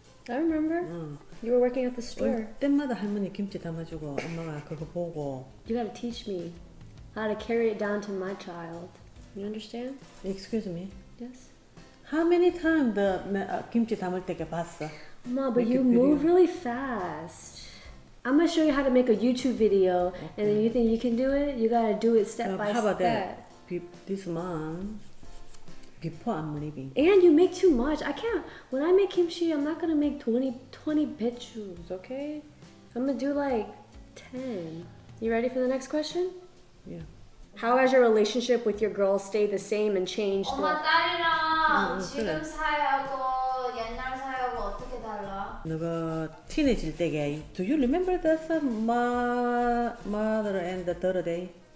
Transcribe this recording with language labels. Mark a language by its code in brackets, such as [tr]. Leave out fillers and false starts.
[en] I remember You were working at the store [ko] 올 때마다 할머니 김치 담아주고 엄마가 그거 보고 [en] You gotta teach me how to carry it down to my child You understand? Excuse me? Yes How many times the [ko] 김치 담을 때 봤어? [en] Ma, but you move really fast. I'm gonna show you how to make a YouTube video, okay. And then you think you can do it? You gotta do it step by step. How about that? This month, before I'm leaving. And you make too much. I can't. When I make kimchi, I'm not gonna make 20 bitchus, okay? I'm gonna do like 10. You ready for the next question? Yeah. How has your relationship with your girl stayed the same and changed? Oh, my [ko] 딸이랑 지금 사이하고 옛날 사이하고 어떻게 달라? 너가 친해질 때게. [en] Do you remember that mother and the third day?